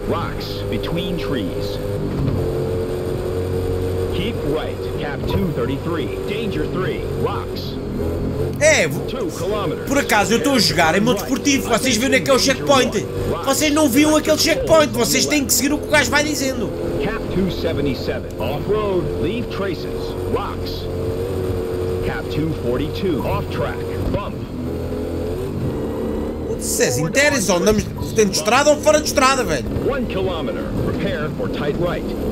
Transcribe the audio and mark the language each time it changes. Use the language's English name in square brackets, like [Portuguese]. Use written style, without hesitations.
[English] Rocks between trees. Keep right. Cap 233. Danger 3. Rocks. [Portuguese] É, por acaso eu estou a jogar em modo esportivo, vocês viram onde é que é o checkpoint? Vocês não viram aquele checkpoint, vocês têm que seguir o que o gajo vai dizendo. [English] Cap 277, off-road, leave traces, rocks. Cap 242, off-track, bump. [Portuguese] Vocês interessam, andamos dentro de estrada ou fora de estrada, velho? [English] 1 km, prepare for tight right.